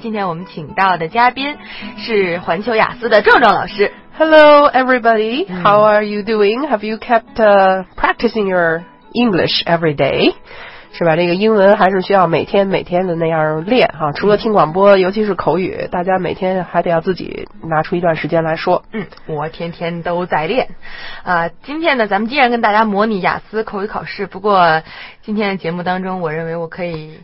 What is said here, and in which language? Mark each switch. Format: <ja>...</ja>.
<zh>今天我们请到的嘉宾是环球雅思的壮壮老师。</zh> <en>Hello, everybody. How are you doing? Have you kept practicing your English every day?</en> <zh>是吧，这个英文还是需要每天每天的那样练哈、啊、除了听广播尤其是口语，大家每天还得要自己拿出一段时间来说。嗯，我天天都在练。今天呢咱们既然跟大家模拟雅思口语考试，不过今天的节目当中我认为我可以</zh>